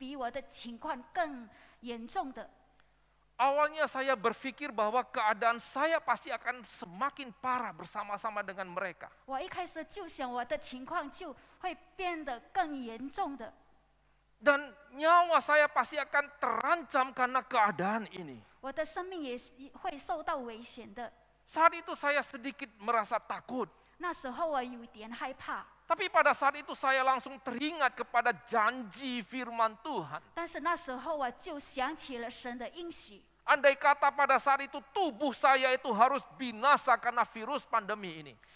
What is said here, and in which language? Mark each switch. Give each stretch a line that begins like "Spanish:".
Chinese: 原来呢，在医院是很多人比我的情况更严重的。
Indonesian: Awalnya saya berpikir bahwa keadaan saya pasti akan semakin parah bersama-sama dengan mereka.
Chinese: 我一开始就想我的情况就会变得更严重的。
Indonesian: Dan nyawa saya pasti akan terancam karena keadaan ini.
Chinese: 我的生命也会受到危险的。
Indonesian: Saat itu saya sedikit merasa takut.
Chinese: 那时候我有点害怕。
Indonesian: Tapi pada saat itu saya langsung teringat kepada janji firman Tuhan.
Chinese: 但是那时候我就想起了神的应许。
Indonesian: Andai kata pada saat itu tubuh saya itu harus binasa karena virus pandemi ini.